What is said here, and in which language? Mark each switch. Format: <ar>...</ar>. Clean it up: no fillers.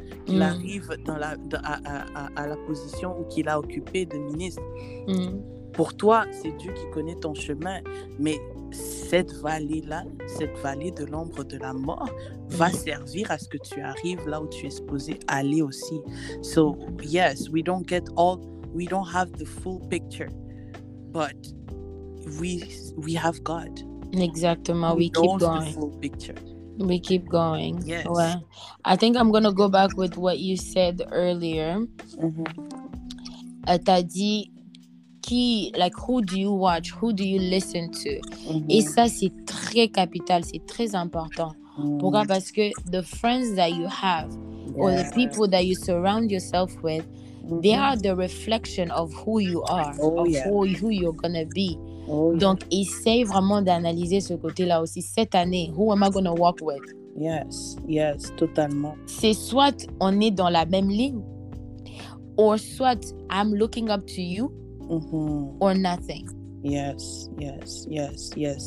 <fr>Qu'il arrive dans la, à la position où qu'il a occupé de ministre. Pour toi, c'est Dieu qui connaît ton chemin, mais cette vallée-là, cette vallée de l'ombre de la mort, va servir à ce que tu arrives là où tu es supposé aller aussi.</fr> <en>So, yes, we don't get all, we don't have the full picture, but we have God. Exactement, we keep going. The full picture. We keep going. Yes. Well, I think I'm going to go back with what you said earlier.</en> <fr>T'as dit... Qui,</fr> <en>like, who do you watch? Who do you listen to?</en> <fr>Et ça, c'est très capital, c'est très important. Pourquoi?</fr> <en>Parce que the friends that you have or the people that you surround yourself with, they are the reflection of who you are, who you're gonna be.</en> <fr>Donc, essaye vraiment d'analyser ce côté-là aussi. Cette année,</fr> <en>who am I gonna walk with? Yes, yes, totalement.</en> <fr>C'est soit on est dans la même ligne, or soit</fr> <en>I'm looking up to you. Or nothing. Yes, yes, yes, yes.</en>